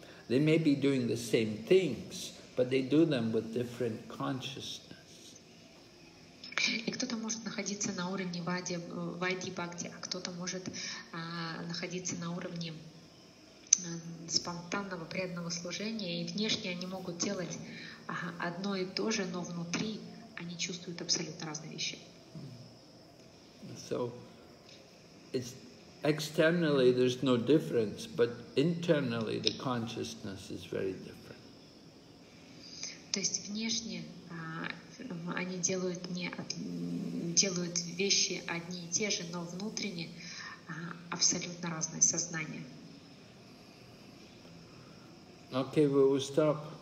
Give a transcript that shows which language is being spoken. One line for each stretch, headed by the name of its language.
English: They may be doing the same things, but they do them with different consciousness.
Russian: И кто-то может находиться на уровне Вайди Бхакти, а кто-то может находиться на уровне спонтанного преданного служения, и внешне они могут делать одно и то же, но внутри они чувствуют абсолютно разные вещи.
English: So, it's externally there's no difference, but internally the consciousness is very different.
Russian: То есть внешне они делают вещи одни и те же, но внутренне абсолютно разное сознание.
English: Okay, we will stop.